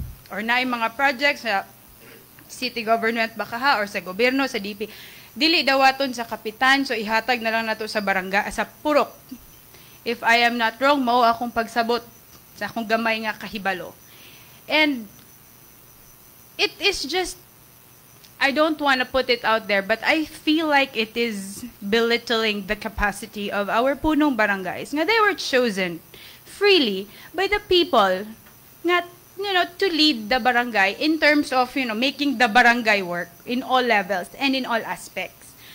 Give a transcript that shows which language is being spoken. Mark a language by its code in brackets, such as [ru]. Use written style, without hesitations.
[ceb] Or na yung mga projects sa city government baka ha, or sa gobyerno, sa DP. Dili dawaton sa kapitan, so ihatag na lang na to sa barangay, sa purok. [en] If I am not wrong, [ceb] mao akong pagsabot sa akong gamay nga kahibalo. [en] And it is just, I don't want to put it out there, but I feel like it is belittling the capacity of our punong barangays. Nga they were chosen freely by the people nga, to lead the barangay in terms of, making the barangay work in all levels and in all aspects.